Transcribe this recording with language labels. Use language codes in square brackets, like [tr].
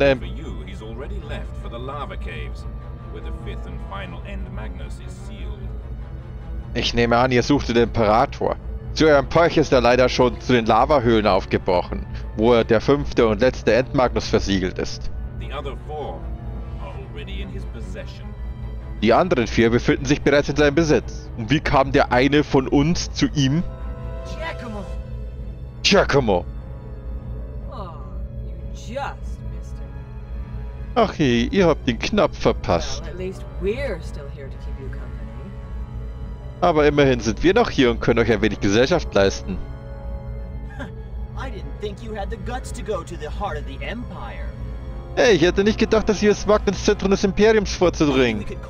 [en] He's already left for the lava caves, where the fifth and final end Magnus is sealed. [de] Ich nehme an, ihr sucht den Imperator. Zu eurem Pech ist er leider schon zu den Lavahöhlen aufgebrochen, wo der fünfte und letzte End Magnus versiegelt ist. [en] The other four are already in his possession. [de] Die anderen vier befinden sich bereits in seinem Besitz. Und wie kam der eine von uns zu ihm? Giacomo! Giacomo! [en] Oh, you just missed him. [de] Ach je, ihr habt ihn knapp verpasst. [en] Well, at least we're still here to keep you company. [de] Aber immerhin sind wir noch hier und können euch ein wenig Gesellschaft leisten. [en] I didn't think you had the guts to go to the heart of the Empire. [de] Hey, ich hätte nicht gedacht, dass ihr es wagt, ins Zentrum des Imperiums vorzudringen.